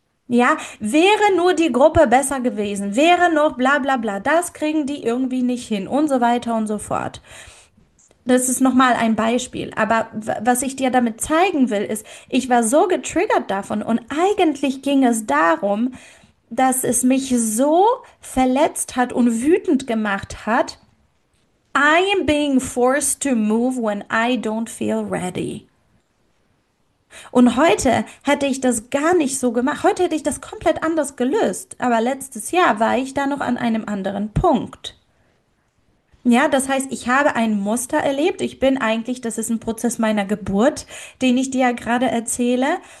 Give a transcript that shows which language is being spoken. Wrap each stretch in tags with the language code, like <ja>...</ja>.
<de>Ja, wäre nur die Gruppe besser gewesen, wäre noch bla bla bla, das kriegen die irgendwie nicht hin und so weiter und so fort. Das ist nochmal ein Beispiel. Aber was ich dir damit zeigen will, ist, ich war so getriggert davon und eigentlich ging es darum, dass es mich so verletzt hat und wütend gemacht hat.</de> <en>I am being forced to move when I don't feel ready.</en> <de>Und heute hätte ich das gar nicht so gemacht. Heute hätte ich das komplett anders gelöst. Aber letztes Jahr war ich da noch an einem anderen Punkt. Ja, das heißt, ich habe ein Muster erlebt. Ich bin eigentlich, das ist ein Prozess meiner Geburt, den ich dir ja gerade erzähle.</de>